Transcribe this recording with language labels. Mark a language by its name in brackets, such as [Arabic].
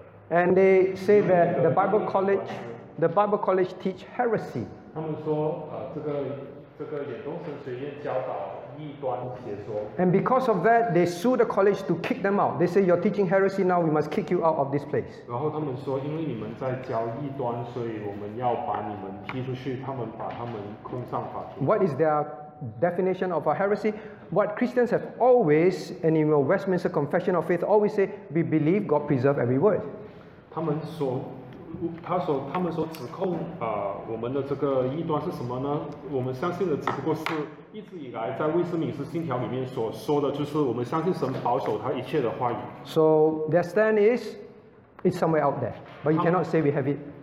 [English] And they say that the Bible College teach heresy. [Chinese] 他们说，这个远东神学院教导异端邪说。 [English] And because of that, they sue the college to kick them out. They say you're teaching heresy now. We must kick you out of this place. [Chinese] 然后他们说，因为你们在教异端，所以我们要把你们踢出去。他们把他们控上法庭。 [English] What is their definition of a heresy? What Christians have always, and in your Westminster Confession of Faith, always say, we believe God preserves every word. [Chinese] 他们说。他们所指控我们的这个异端是什么呢？我们相信的只不过是一直以来在威斯敏斯信条里面所说的，就是我们相信神保守他一切的话语。 [English] So their stand is it's somewhere out there, but you cannot say we have it.